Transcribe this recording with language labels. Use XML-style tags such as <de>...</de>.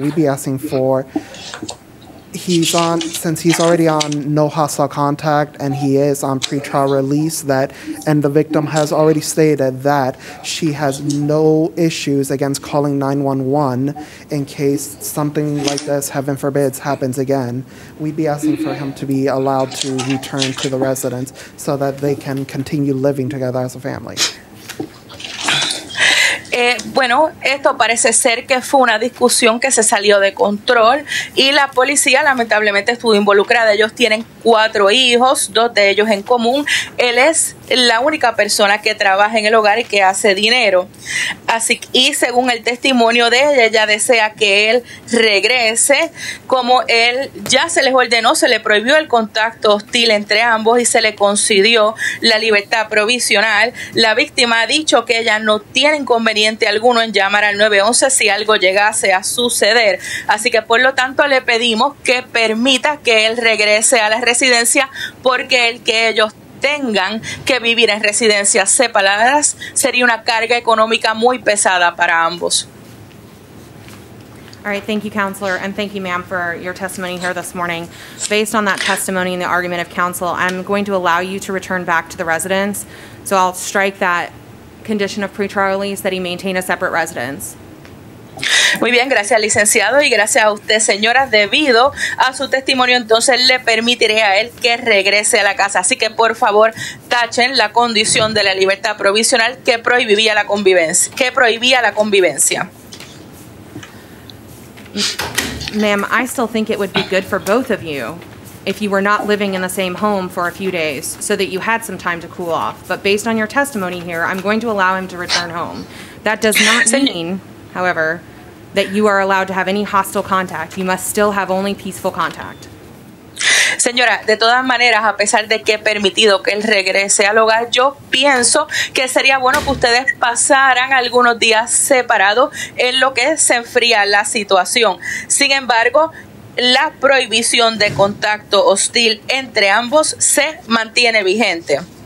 <en>We'd be asking for, since he's already on no hostile contact and he is on pretrial release, that, and the victim has already stated that she has no issues against calling 911 in case something like this, heaven forbids, happens again. We'd be asking for him to be allowed to return to the residence so that they can continue living together as a family.</en> <es>Bueno, esto parece ser que fue una discusión que se salió de control y la policía lamentablemente estuvo involucrada. Ellos tienen cuatro hijos, dos de ellos en común. Él es la única persona que trabaja en el hogar y que hace dinero. Así, y según el testimonio de ella, ella desea que él regrese. Como él ya se les ordenó, se le prohibió el contacto hostil entre ambos y se le concedió la libertad provisional. La víctima ha dicho que ella no tiene inconveniente alguno en llamar al 911 si algo llegase a suceder. Así que por lo tanto le pedimos que permita que él regrese a la residencia, porque el que ellos tengan que vivir en residencia separadas sería una carga económica muy pesada para ambos.</es> <en>All right, thank you, counselor, and thank you, ma'am, for your testimony here this morning. Based on that testimony and the argument of counsel, I'm going to allow you to return back to the residence. So I'll strike that condition of pretrial release that he maintain a separate residence.</en> <es>Muy bien, gracias, licenciado, y gracias a usted, señora. Debido a su testimonio, entonces le permitiré a él que regrese a la casa. Así que, por favor, tachen la condición de la libertad provisional que prohibía la convivencia.</es> <en>Ma'am, I still think it would be good for both of you if you were not living in the same home for a few days so that you had some time to cool off. But based on your testimony here, I'm going to allow him to return home. That does not mean, however, that you are allowed to have any hostile contact. You must still have only peaceful contact.</en> <es>Señora, de todas maneras, a pesar de que he permitido que él regrese al hogar, yo pienso que sería bueno que ustedes pasaran algunos días separados en lo que se enfría la situación. Sin embargo, la prohibición de contacto hostil entre ambos se mantiene vigente.</es>